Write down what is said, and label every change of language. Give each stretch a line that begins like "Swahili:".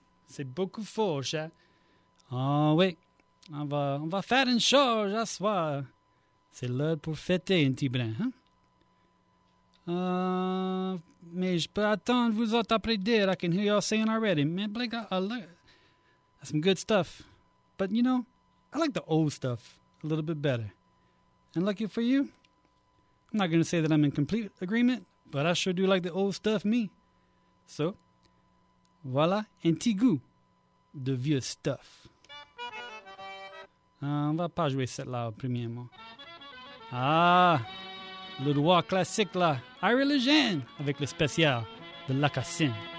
French: C'est beaucoup fort, cher. Ah oui. On va faire une charge à soir. C'est l'heure pour fêter un petit brin. Hein? Mais je peux attendre vous autres après dire.
English: I can hear y'all saying already. Man, Blake, that's some good stuff. But you know, I like the old stuff a little bit better. And lucky for you, I'm not going to say that I'm in complete agreement, but I sure do like the old stuff, me.
French: So, voilà un petit goût de vieux stuff. On va pas jouer celle-là au premier mot. Ah, le roi classique là, Ira Le Jeune, avec le spécial de Lacassine.